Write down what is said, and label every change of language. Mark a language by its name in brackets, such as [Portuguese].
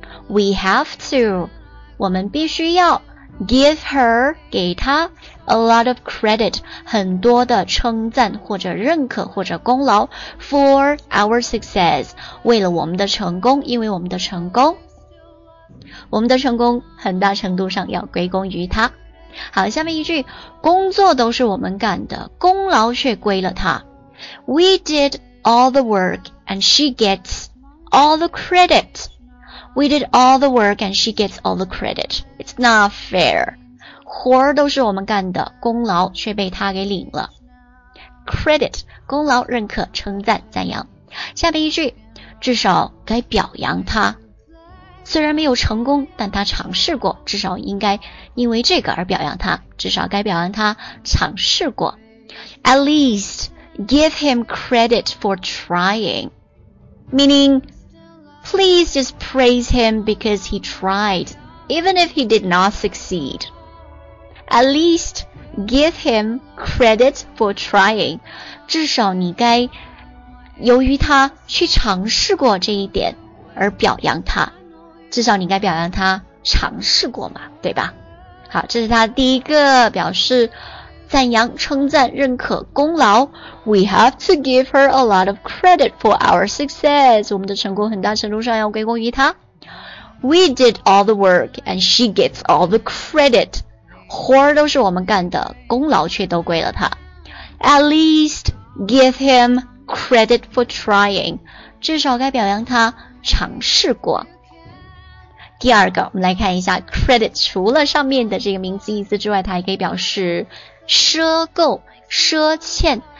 [English] We have to， [Chinese] 我们必须要 [English] give her， [Chinese] 给她 [English] a lot of credit， [Chinese] 很多的称赞或者认可或者功劳， [English] for our success， [Chinese] 为了我们的成功，因为我们的成功，我们的成功很大程度上要归功于他。好，下面一句，工作都是我们干的，功劳却归了他。 [English] We did all the work and she gets all the credit. We did all the work and she gets all the credit. It's not fair. [Chinese] 活儿都是我们干的，功劳却被他给领了。 Credit， 功劳，认可，称赞，赞扬。下面一句，至少该表扬他，虽然没有成功，但他尝试过，至少应该因为这个而表扬他，至少该表扬他尝试过。 [English] At least give him credit for trying. Meaning, please just praise him because he tried, even if he did not succeed. At least give him credit for trying. [Chinese] 至少你该由于他去尝试过这一点而表扬他，至少你应该表扬他尝试过嘛，对吧？好，这是他第一个表示赞扬、称赞、认可、功劳。 [English] We have to give her a lot of credit for our success. [Chinese] 我们的成功很大程度上要归功于他。 [English] We did all the work and she gets all the credit. [Chinese] 活儿都是我们干的，功劳却都归了他。 [English] At least give him credit for trying. [Chinese] 至少该表扬他尝试过。第二个，我们来看一下 credit， 除了上面的这个名词意思之外，它还可以表示赊购、赊欠。